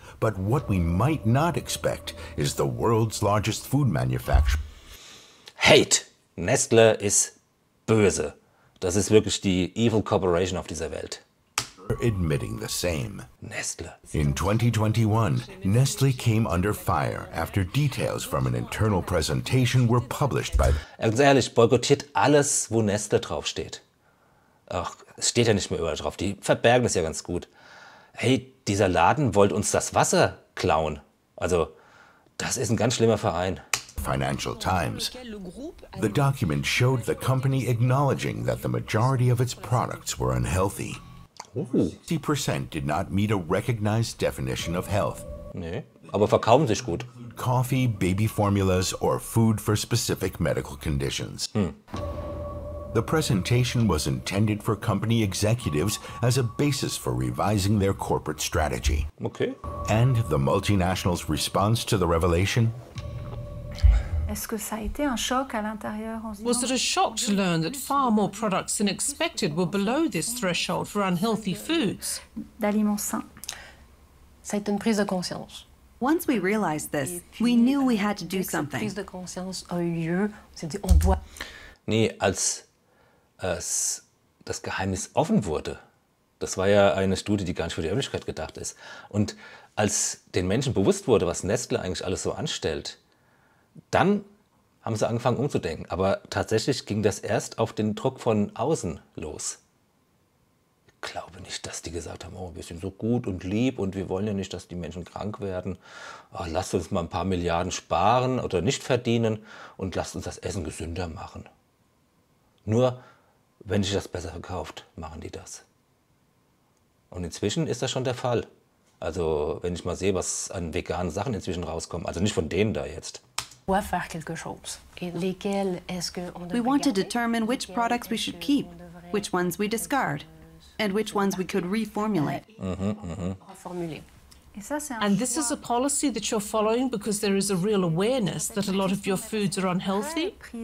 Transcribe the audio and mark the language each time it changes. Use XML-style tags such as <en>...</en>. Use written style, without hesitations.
<en>But what we might not expect is the world's largest food manufacturer. Hate.</en> <de>Nestle ist böse. Das ist wirklich die</de> <en>evil corporation</en> <de>auf dieser Welt.</de> <en>Admitting the same. Nestle. In 2021, Nestle came under fire after details from an internal presentation were published by...</en> <de>Ganz ehrlich, boykottiert alles, wo Nestle draufsteht. Ach, es steht ja nicht mehr überall drauf. Die verbergen es ja ganz gut. Hey, dieser Laden wollte uns das Wasser klauen. Also, das ist ein ganz schlimmer Verein.</de> <en>Financial Times. The document showed the company acknowledging that the majority of its products were unhealthy. 60% did not meet a recognized definition of health.</en> <de>Nee, aber verkaufen sich gut.</de> <en>Coffee, baby formulas or food for specific medical conditions. The presentation was intended for company executives as a basis for revising their corporate strategy. Okay. And the multinational's response to the revelation? Was it a shock to learn that far more products than expected were below this threshold for unhealthy foods?</en> <fr>D'aliments sains. Ça a été une prise de conscience.</fr> <en>Once we realized this, we knew we had to do something.</en> <fr>Cette prise de conscience a eu lieu, on s'est dit on doit.</fr> <de>Nee, als das Geheimnis offen wurde, das war ja eine Studie, die gar nicht für die Öffentlichkeit gedacht ist, und als den Menschen bewusst wurde, was Nestle eigentlich alles so anstellt, dann haben sie angefangen umzudenken. Aber tatsächlich ging das erst auf den Druck von außen los. Ich glaube nicht, dass die gesagt haben, oh, wir sind so gut und lieb und wir wollen ja nicht, dass die Menschen krank werden. Oh, lasst uns mal ein paar Milliarden sparen oder nicht verdienen und lasst uns das Essen gesünder machen. Nur, wenn sich das besser verkauft, machen die das. Und inzwischen ist das schon der Fall. Also, wenn ich mal sehe, was an veganen Sachen inzwischen rauskommt, also nicht von denen da jetzt.</de> <en>We want to determine which products we should keep, which ones we discard, and which ones we could reformulate. And this is a policy that you're following because there is a real awareness that a lot of your foods are unhealthy?</en>